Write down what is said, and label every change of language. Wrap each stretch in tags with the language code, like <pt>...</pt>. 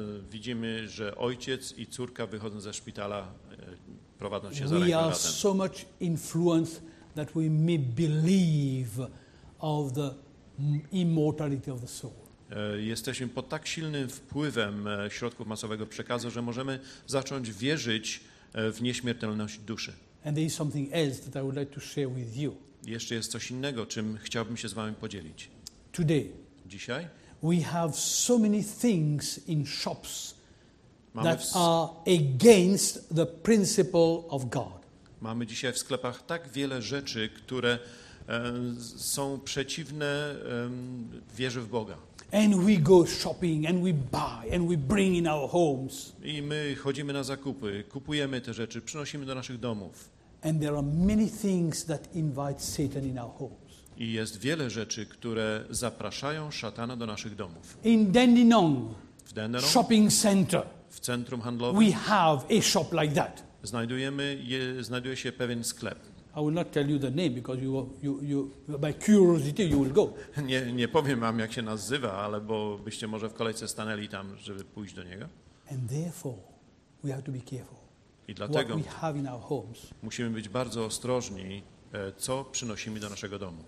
<pl>Widzimy, że ojciec i córka wychodzą ze szpitala.</pl> <en>We are so much influenced that we may believe of the immortality of the soul.</en> <pl>Jesteśmy pod tak silnym wpływem środków masowego przekazu, że możemy zacząć wierzyć w nieśmiertelność duszy.</pl> <en>And there is something else that I would like to share with you.</en> <pl>Jeszcze jest coś innego, czym chciałbym się z wami podzielić.</pl> <en>Today.</en> <pl>Dzisiaj.</pl> <en>We have so many things in shops. That are against the principle of God.</en> <pl>Mamy dzisiaj w sklepach tak wiele rzeczy, które są przeciwne wierze w Boga.</pl> <en>And we go shopping and we buy and we bring in our homes.</en> <pl>I my chodzimy na zakupy, kupujemy te rzeczy, przynosimy do naszych domów.</pl> <en>And there are many things that invite Satan in our homes.</en> <pl>I jest wiele rzeczy, które zapraszają szatana do naszych domów.</pl> <en>In Dandenong.</en> <pl>W Dandenong.</pl> <en>Shopping center.</en> <pl>W centrum handlowym.</pl> <en>We have a shop like that.</en> <pl>Znajduje się pewien sklep.</pl> <en>I will not tell you the name because you by curiosity you will go.</en> <pl>Nie powiem wam jak się nazywa, ale bo byście może w kolejce stanęli tam, żeby pójść do niego.</pl> <en>And therefore we have to be careful.</en> <pl>I dlatego</pl> <en>what we have in our homes.</en> <pl>Musimy być bardzo ostrożni, co przynosimy do naszego domu.</pl>